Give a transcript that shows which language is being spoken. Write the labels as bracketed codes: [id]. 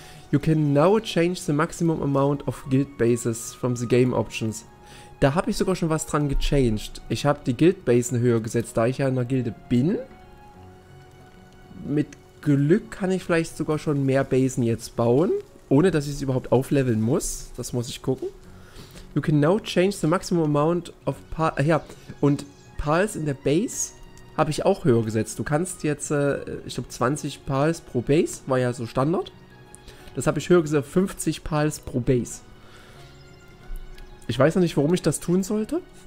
[en] You can now change the maximum amount of guild bases from the game options. [de] Da habe ich sogar schon was dran gechanged. Ich habe die Guild Basen höher gesetzt, da ich ja in der Gilde bin. Mit Glück kann ich vielleicht sogar schon mehr Basen jetzt bauen, ohne dass ich es überhaupt aufleveln muss. Das muss ich gucken. [en] You can now change the maximum amount of Pals. [de] Ja, und Pals in der Base habe ich auch höher gesetzt. Du kannst jetzt, ich glaube, 20 Pals pro Base, war ja so Standard. Das habe ich höher gesagt, 50 Pals pro Base. Ich weiß noch nicht, warum ich das tun sollte.